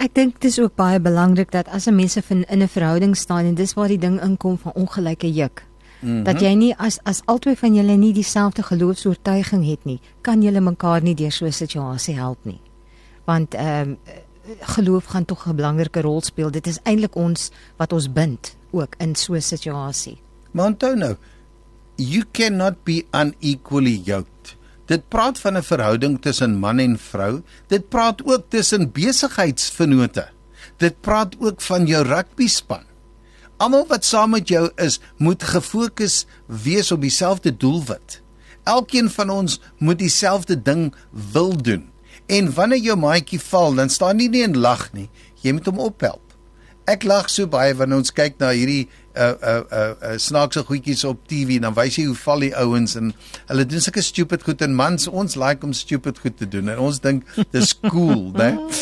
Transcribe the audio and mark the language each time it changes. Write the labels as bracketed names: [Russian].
[Afrikaans] Ek dink dis ook baie belangrik dat as 'n mens in 'n verhouding staan en dis waar die ding inkom van ongelyke juk. Mm-hmm. Dat jy nie as albei van julle nie dieselfde geloofsoortuiging het nie, kan julle mekaar nie deur so 'n situasie help nie. Want geloof gaan tog 'n belangrike rol speel. Dit is eintlik ons wat ons bind ook in so 'n situasie. [English] Maar onthou nou, you cannot be unequally yoked. [Afrikaans] Dit praat van 'n verhouding tussen man en vrou. Dit praat ook tussen besigheidsvennote. Dit praat ook van jou rugbyspan. Almal wat saam met jou is, moet gefokus wees op dieselfde doelwit. Elkeen van ons moet dieselfde ding wil doen. En wanneer jou maatjie val, dan staan jy nie en lag nie. Jy moet hom ophelp. Ek lag so baie wanneer ons kyk na hierdie snaakse goedjies op TV, dan wys jy hoe val die ouens en hulle doen sulke stupid goed en mans, ons like om stupid goed te doen en ons dink dis cool, né?